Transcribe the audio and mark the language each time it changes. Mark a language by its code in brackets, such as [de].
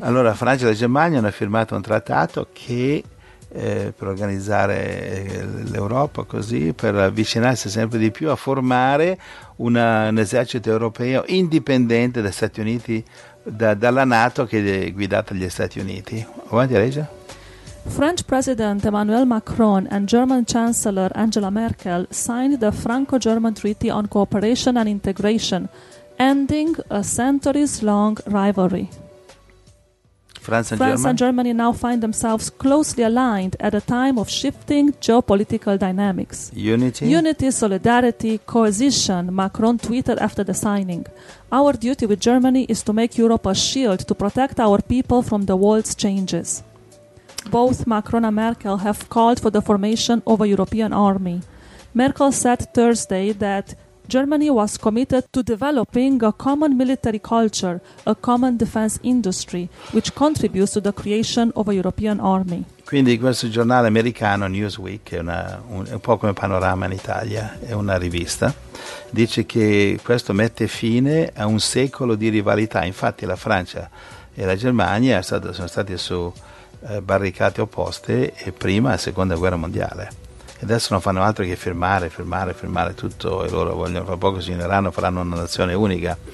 [it] Allora, Francia e Germania hanno firmato un trattato che per organizzare l'Europa, così, per avvicinarsi sempre di più a formare un esercito europeo indipendente dagli Stati Uniti, dalla NATO che è guidata dagli Stati Uniti. Avanti a leggere. [en] French President Emmanuel Macron and German Chancellor Angela Merkel signed the Franco-German Treaty on Cooperation and Integration, ending a centuries-long rivalry. France and Germany now find themselves closely aligned at a time of shifting geopolitical dynamics. Unity, solidarity, cohesion, Macron tweeted after the signing. Our duty with Germany is to make Europe a shield to protect our people from the world's changes. Both Macron and Merkel have called for the formation of a European army. Merkel said Thursday that Germany was committed to developing a common military culture, a common defense industry, which contributes to the creation of a European army. [it] Quindi questo giornale americano, Newsweek, è un po' come Panorama in Italia, è una rivista, dice che questo mette fine a un secolo di rivalità. Infatti la Francia e la Germania sono stati su barricate opposte e prima e seconda guerra mondiale, e adesso non fanno altro che firmare tutto, e loro vogliono, fra poco si uniranno, faranno una nazione unica.